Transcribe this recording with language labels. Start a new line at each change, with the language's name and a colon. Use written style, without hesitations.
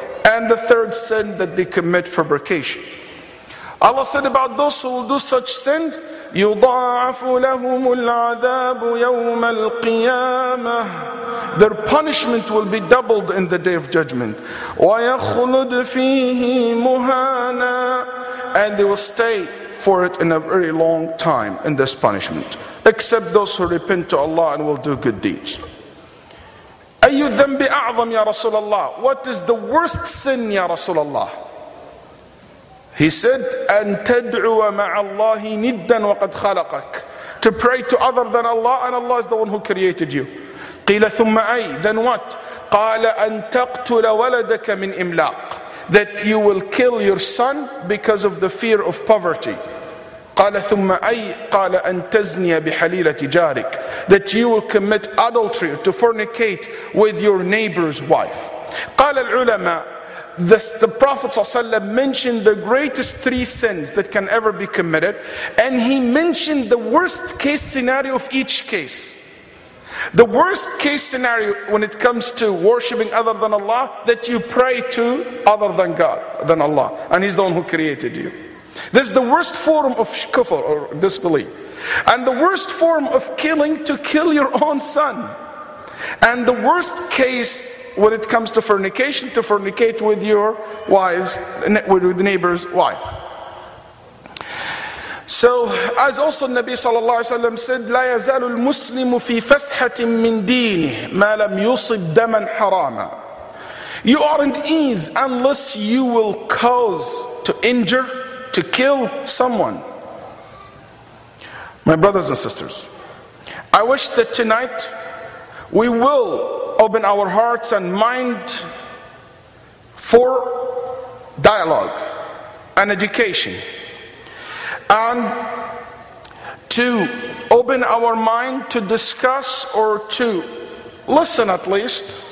English: And the third sin that they commit, fabrication. Allah said about those who will do such sins,
Arabic: يُضَاعَفُ لَهُمُ الْعَذَابُ يَوْمَ الْقِيَامَةِ
English: Their punishment will be doubled in the day of judgment.
Arabic: وَيَخْلُدْ فِيهِ مُهَانًا
English: And they will stay for it in a very long time in this punishment. Except those who repent to Allah and will do good deeds.
Arabic: أَيُّ الذَّنْبِ أَعْظَمْ يَا رَسُولَ اللَّهِ
English: What is the worst sin,
Arabic: يَا رَسُولَ اللَّهِ He said, "أن تدعو مع الله ندا وقد خلقك."
English: To pray to other than Allah, and Allah is the one who created you.
Arabic: قيل ثم أي?
English: Then what?
Arabic: قال أن تقتل ولدك من إملاق.
English: That you will kill your son because of the fear of poverty.
Arabic: قال ثم أي? قال أن تزني بحليلة جارك.
English: That you will commit adultery to fornicate with your neighbor's wife.
Arabic: قال العلماء.
English: The Prophet ﷺ mentioned the greatest three sins that can ever be committed, and he mentioned the worst case scenario of each case. The worst case scenario when it comes to worshipping other than Allah, that you pray to other than God, than Allah, and He's the one who created you. This is the worst form of kufr or disbelief. And the worst form of killing, to kill your own son. And the worst case when it comes to fornication, to fornicate with your wife's, with the neighbor's wife. So, as also Nabi sallallahu alaihi wasallam said,
Arabic: لا يزال المسلم في فسحة من دينه ما لم يصب دما حراما.
English: You aren't ease unless you will cause to injure, to kill someone. My brothers and sisters, I wish that tonight we will open our hearts and mind for dialogue and education, and to open our mind to discuss or to listen at least